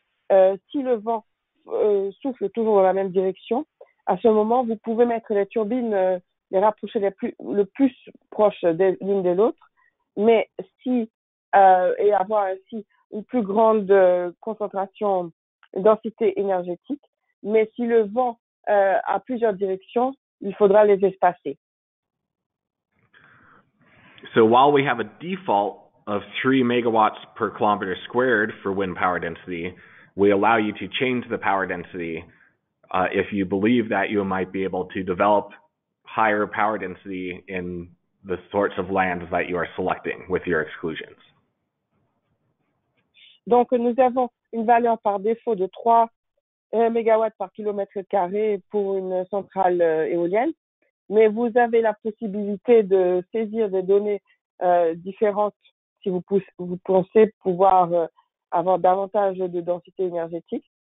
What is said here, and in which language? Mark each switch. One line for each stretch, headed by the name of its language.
French: Si le vent souffle toujours dans la même direction, à ce moment, vous pouvez mettre les turbines, les rapprocher le plus proche l'une de l'autre. Mais si, et avoir ainsi une plus grande concentration, densité énergétique, mais si le vent a plusieurs directions, il faudra les espacer.
English: So while we have a default of 3 megawatts per kilometer squared for wind power density, we allow you to change the power density if you believe that you might be able to develop higher power density in the sorts of lands that you are selecting with your exclusions.
French: Donc nous avons une valeur par défaut de 3 mégawatts par kilomètre carré pour une centrale éolienne. Mais vous avez la possibilité de saisir des données différentes si vous pensez pouvoir avoir davantage de densité énergétique.